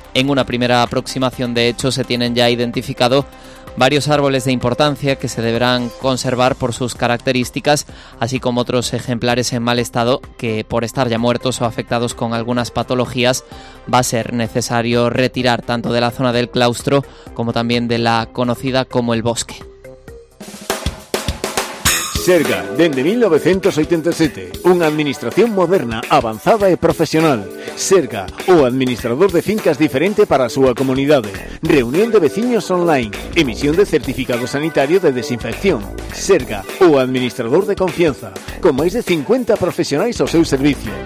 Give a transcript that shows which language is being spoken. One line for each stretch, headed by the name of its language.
Spanish: En una primera aproximación, de hecho, se tienen ya identificado varios árboles de importancia que se deberán conservar por sus características, así como otros ejemplares en mal estado que, por estar ya muertos o afectados con algunas patologías, va a ser necesario retirar tanto de la zona del claustro como también de la conocida como el bosque.
Galician: Serga, dende 1987, unha administración moderna, avanzada e profesional. Serga, o administrador de fincas diferente para a súa comunidade. Reunión de veciños online, emisión de certificado sanitario de desinfección. Serga, o administrador de confianza, con máis de 50 profesionais ao seu servicio.